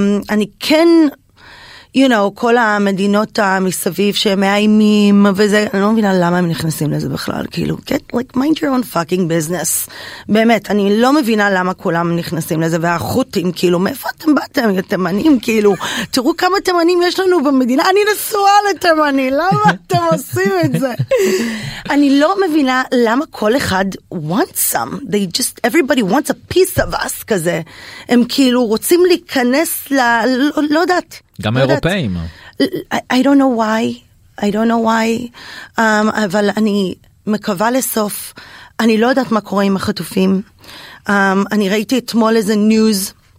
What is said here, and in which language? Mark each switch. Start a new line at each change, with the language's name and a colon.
Hebrew: אני כן,
English: you know,
Hebrew: כל המדינות מסביב שמאיימים וזה, אני לא מבינה למה הם נכנסים לזה בכלל, כאילו,
English: get, like, mind your own fucking business.
Hebrew: באמת, אני לא מבינה למה כולם נכנסים לזה, והחוטים, כאילו, מאיפה אתם באתם, תימנים, כאילו, תראו כמה תימנים יש לנו במדינה, אני נשואה לתימני, למה אתם עושים את זה? אני לא מבינה למה כל אחד
English: wants some, they just, everybody wants a piece of us,
Hebrew: כזה. הם כאילו רוצים להיכנס ל, לא, לא יודעת, גם האירופאים.
English: I don't know why. I don't know why.
Hebrew: אבל אני מקווה לסוף. אני לא יודעת מה קורה עם החטופים. אני ראיתי אתמול איזה ניוז.